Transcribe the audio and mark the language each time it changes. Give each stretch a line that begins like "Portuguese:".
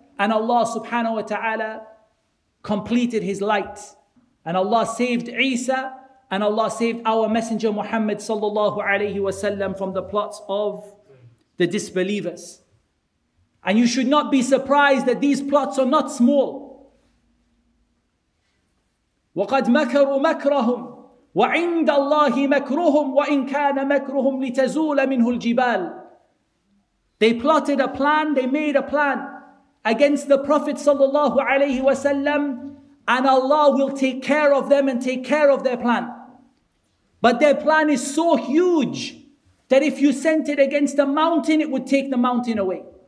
English: And Allah subhanahu wa ta'ala completed his light. And Allah saved Isa. And Allah saved our messenger Muhammad sallallahu alayhi wa sallam from the plots of the disbelievers. And you should not be surprised that these plots are not small.
Arabic: وَقَدْ مَكَرُوا مَكْرَهُمْ وعند الله مكرهم وإن كان مكرهم لتزول منه الجبال.
English: They plotted a plan, they made a plan against the Prophet sallallahu alaihi wasallam, and Allah will take care of them and take care of their plan. But their plan is so huge that if you sent it against a mountain, it would take the mountain away.